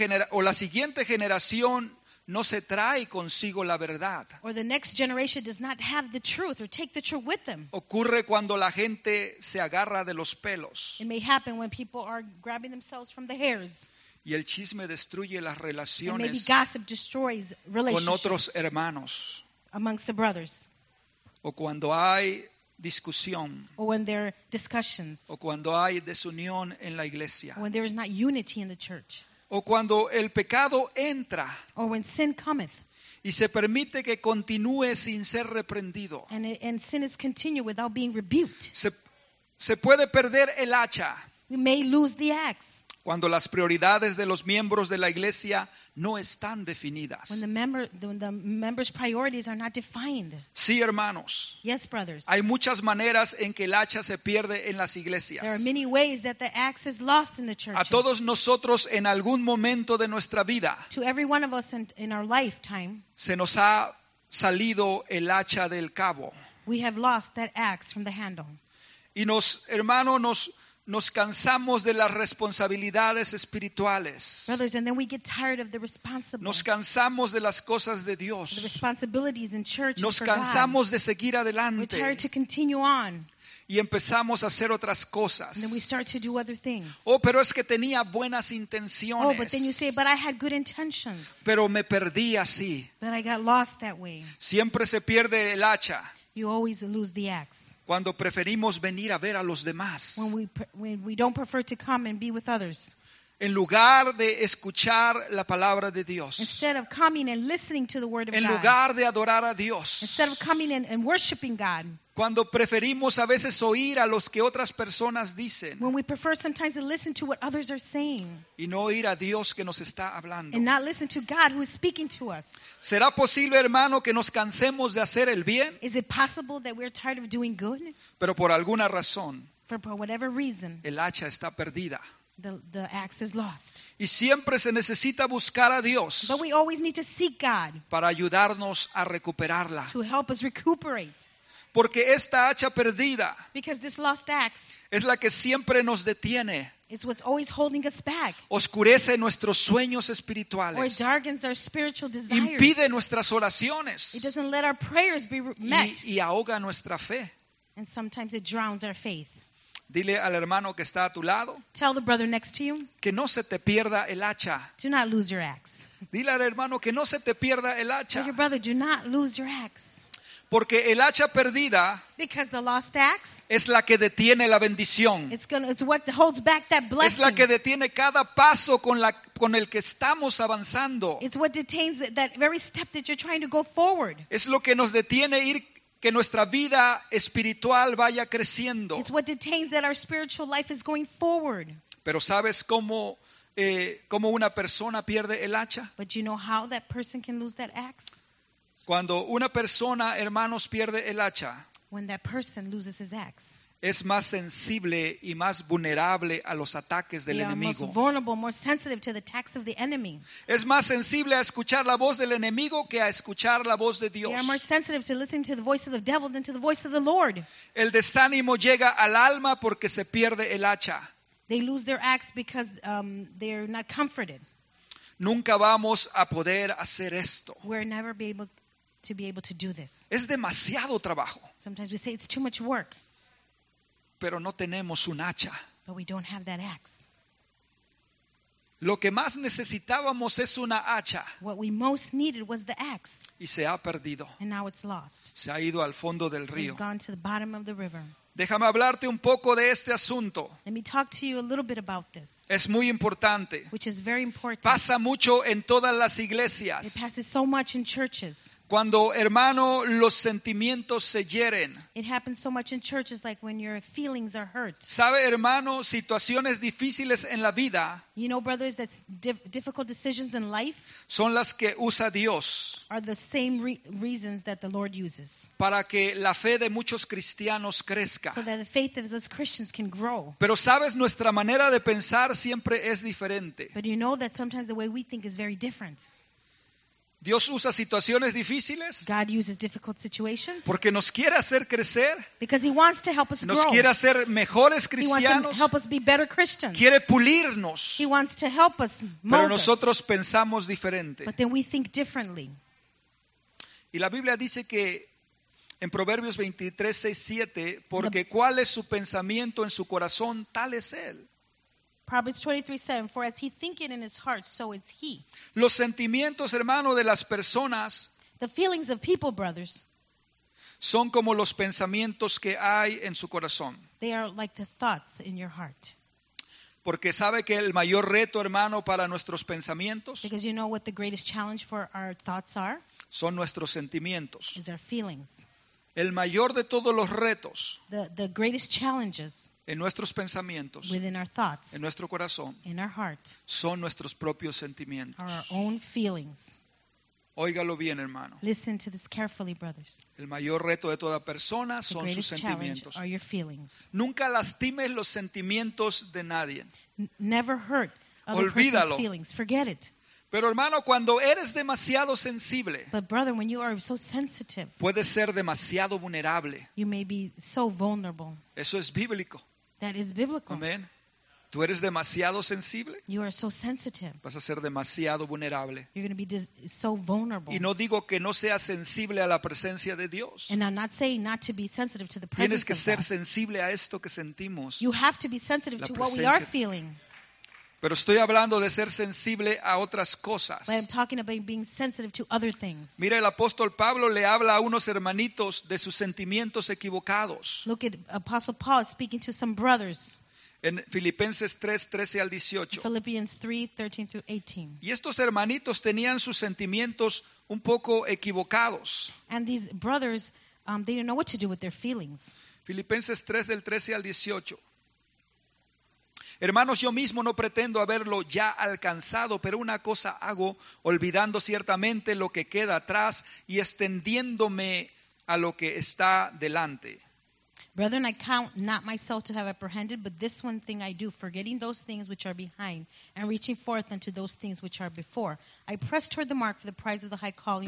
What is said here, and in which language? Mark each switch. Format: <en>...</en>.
<es>O la siguiente generación no se trae consigo la verdad.</es> <en>Or the next generation does not have the truth or take the truth with them.</en> <es>Ocurre cuando la gente se agarra de los pelos.</es> <en>It may happen when people are grabbing themselves from the hairs.</en> <es>Y el chisme destruye las relaciones.</es> <en>And maybe gossip destroys relationships.</en> <es>Con otros hermanos.</es> <en>Amongst the brothers.</en> <es>O cuando hay discusión.</es> <en>Or when there are discussions.</en> <es>O cuando hay desunión en la iglesia.</es> <en>When there is not unity in the church.</en> <es>O cuando el pecado entra.</es> <en>Or when sin cometh.</en> <es>Y se permite que continúe sin ser reprendido.</es> <en>And sin is continued without being rebuked.</en> <es>Se puede perder el hacha.</es> <en>You may lose the axe.</en> <es>Cuando las prioridades de los miembros de la iglesia no están definidas.</es> <en>When the members' priorities are not defined.</en> <es>Sí, hermanos.</es> <en>Yes, brothers.</en> <es>Hay muchas maneras en que el hacha se pierde en las iglesias.</es> <en>There are many ways that the axe is lost in the churches.</en> <es>A todos nosotros en algún momento de nuestra vida.</es> <en>To every one of us in our lifetime.</en> <es>Se nos ha salido el hacha del cabo.</es> <en>We have lost that axe from the handle.</en> <es>Y nos, hermano, nos cansamos de las responsabilidades espirituales.</es> <en>Brothers, and then we get tired of the responsibility.</en> <es>Nos cansamos de las cosas de Dios.</es> <en>The responsibilities in church.</en> <es>Nos cansamos de seguir adelante.</es> <en>We're tired to continue on.</en> <es>Y empezamos a hacer otras cosas.</es> <en>And then we start to do other things.</en> <es>Oh, pero es que tenía buenas intenciones.</es> <en>Oh, but then you say, but I had good intentions.</en> <es>Pero me perdí así.</es> <en>But I got lost that way.</en> <es>Siempre se pierde el hacha.</es> <en>You always lose the axe.</en> <es>Cuando preferimos venir a ver a los demás.</es> <en>When we don't prefer to come and be with others.</en> <es>En lugar de escuchar la palabra de Dios.</es> <en>Instead of coming and listening to the word of God.</en> <es>En lugar de adorar a Dios.</es> <en>Instead of coming and worshiping God.</en> <es>Cuando preferimos a veces oír a los que otras personas dicen.</es> <en>When we prefer sometimes to listen to what others are saying.</en> <es>Y no oír a Dios que nos está hablando.</es> <en>And not listen to God who is speaking to us.</en> <es>¿Será posible, hermano, que nos cansemos de hacer el bien?</es> <en>Is it possible that we're tired of doing good?</en> <es>Pero por alguna razón.</es> <en>For whatever reason.</en> <es>El hacha está perdida.</es> <en>The axe is lost.</en> <es>Y siempre se necesita buscar a Dios.</es> <en>But we always need to seek God.</en> <es>Para ayudarnos a recuperarla.</es> <en>To help us recuperate.</en> <es>Porque esta hacha perdida.</es> <en>Because this lost axe.</en> <es>Es la que siempre nos detiene.</es> <en>It's what's always holding us back.</en> <es>Oscurece nuestros sueños espirituales.</es> <en>Or darkens our spiritual desires.</en> <es>Impide nuestras oraciones.</es> <en>It doesn't let our prayers be met.</en> <es>Y ahoga nuestra fe.</es> <en>And sometimes it drowns our faith.</en> <es>Dile al hermano que está a tu lado.</es> <en>Tell the brother next to you.</en> <es>Que no se te pierda el hacha.</es> <en>Do not lose your axe.</en> <es>Dile al hermano que no se te pierda el hacha.</es> <en>Tell your brother, do not lose your axe.</en> <es>Porque el hacha perdida.</es> <en>Because the lost axe.</en> <es>Es la que detiene la bendición.</es> <en>It's what holds back that blessing.</en> <es>Es la que detiene cada paso con el que estamos avanzando.</es> <en>It's what detains that very step that you're trying to go forward.</en> <es>Es lo que nos detiene ir. Que nuestra vida espiritual vaya creciendo.</es> <en>It's what detains that our spiritual life is going forward.</en> <es>Pero ¿sabes cómo una persona pierde el hacha?</es> <en>But you know how that person can lose that axe?</en> <es>Cuando una persona, hermanos, pierde el hacha.</es> <en>When that person loses his axe.</en> <es>es más sensible y más vulnerable a los ataques del enemigo.</es> <en>Most vulnerable, more sensitive to the attacks of the enemy.</en> <es>Es más sensible a escuchar la voz del enemigo que a escuchar la voz de Dios.</es> <en>They are more sensitive to listening to the voice of the devil than to the voice of the Lord.</en> <es>El desánimo llega al alma porque se pierde el hacha.</es> <en>They lose their axe because they are not comforted.</en> <es>Nunca vamos a poder hacer esto.</es> <en>We'll never be able to do this.</en> <es>Es demasiado trabajo.</es> <en>Sometimes we say it's too much work.</en> <es>Pero no tenemos un hacha.</es> <en>But we don't have that axe.</en> <es>Lo que más necesitábamos es una hacha.</es> <en>What we most needed was the axe.</en> <es>Y se ha perdido.</es> <en>And now it's lost.</en> <es>Se ha ido al fondo del río.</es> <en>It's gone to the bottom of the river.</en> <es>Déjame hablarte un poco de este asunto.</es> <en>Let me talk to you a little bit about this.</en> <es>Es muy importante.</es> <en>Which is very important.</en> <es>Pasa mucho en todas las iglesias.</es> <en>It passes so much in churches.</en> <es>Cuando, hermano, los sentimientos se hieren.</es> <en>It happens so much in churches, like when your feelings are hurt.</en> <es>Sabe, hermano, situaciones difíciles en la vida.</es> <en>You know, brothers, that's difficult decisions in life.</en> <es>Son las que usa Dios.</es> <en>Are the same reasons that the Lord uses.</en> <es>Para que la fe de muchos cristianos crezca.</es> <en>So that the faith of us Christians can grow.</en> <es>Pero sabes, nuestra manera de pensar siempre es diferente.</es> <en>But you know that sometimes the way we think is very different.</en> <es>Dios usa situaciones difíciles.</es> <en>God uses difficult situations.</en> <es>Porque nos quiere hacer crecer.</es> <en>Because he wants to help us grow.</en> <es>Nos quiere hacer mejores cristianos.</es> <en>He wants to help us be better Christians.</en> <es>Quiere pulirnos.</es> <en>He wants to help us mold.</en> <es>Pero nosotros pensamos diferente.</es> <en>But then we think differently.</en> <es>Y la Biblia dice que en Proverbios 23:6-7, porque cuál es su pensamiento en su corazón, tal es él.</es> <en>Proverbs 23:7, for as he thinketh in his heart, so is he.</en> <es>Los sentimientos, hermano, de las personas,</es> <en>the feelings of people, brothers,</en> <es>son como los pensamientos que hay en su corazón.</es> <en>They are like the thoughts in your heart.</en> <es>Porque sabe que el mayor reto, hermano, para nuestros pensamientos,</es> <en>because you know what the greatest challenge for our thoughts are,</en> <es>son nuestros sentimientos,</es> <en>is our feelings.</en> <es>El mayor de todos los retos,</es> <en>the greatest challenges,</en> <es>en nuestros pensamientos,</es> <en>within our thoughts,</en> <es>en nuestro corazón,</es> <en>in our heart,</en> <es>son nuestros propios sentimientos,</es> <en>our own feelings.</en> <es>Óigalo bien, hermano.</es> <en>Listen to this carefully, brothers.</en> <es>El mayor reto de toda persona son sus sentimientos.</es> <en>Are your feelings.</en> <es>Nunca lastimes los sentimientos de nadie.</es> <en>Never hurt other person's feelings. Forget it.</en> <es>Pero hermano, cuando eres demasiado sensible,</es> <en>but brother, when you are so sensitive,</en> <es>puedes ser demasiado vulnerable.</es> <en>You may be so vulnerable.</en> <es>Eso es bíblico.</es> <en>That is biblical.</en> <es>Amén. Tú eres demasiado sensible.</es> <en>You are so sensitive.</en> <es>Vas a ser demasiado vulnerable.</es> <en>You're going to be so vulnerable.</en> <es>Y no digo que no seas sensible a la presencia de Dios.</es> <en>And I'm not saying not to be sensitive to the presence of God.</en> <es>Tienes que ser sensible a esto que sentimos.</es> <en>You have to be sensitive to what we are feeling.</en> <es>Pero estoy hablando de ser sensible a otras cosas.</es> <en>But I'm talking about being sensitive to other things.</en> <es>Mira, el apóstol Pablo le habla a unos hermanitos de sus sentimientos equivocados.</es> <en>Look at Apostle Paul speaking to some brothers.</en> <es>En Filipenses 3:13-18.</es> <en>Philippians 3:13-18.</en> <es>Y estos hermanitos tenían sus sentimientos un poco equivocados.</es> <en>And these brothers, they didn't know what to do with their feelings.</en> <es>Filipenses 3:13-18. Hermanos, yo mismo no pretendo haberlo ya alcanzado, pero una cosa hago, olvidando ciertamente lo que queda atrás y extendiéndome a lo que está delante.</es> <en>Brethren, I count not myself to have apprehended, but this one thing I do, forgetting those things which are behind and reaching forth unto those things which are before. I press toward the mark for the prize of the high calling.</en>